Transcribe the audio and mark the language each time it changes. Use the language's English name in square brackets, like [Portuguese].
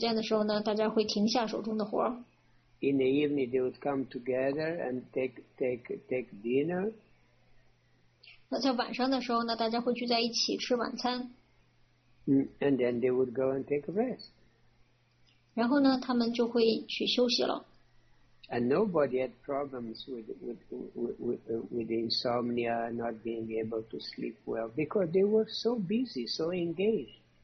[Chinese] 然后到吃午餐的时间的时候呢，大家会停下手中的活。 [English] In the evening, they would come together and take dinner. [Chinese] 那在晚上的时候呢，大家会聚在一起吃晚餐。 [English] And then they would go and take a rest. [Chinese] 然后呢，他们就会去休息了。 [English] And nobody had problems with insomnia, not being able to sleep well, because they were so busy, so engaged.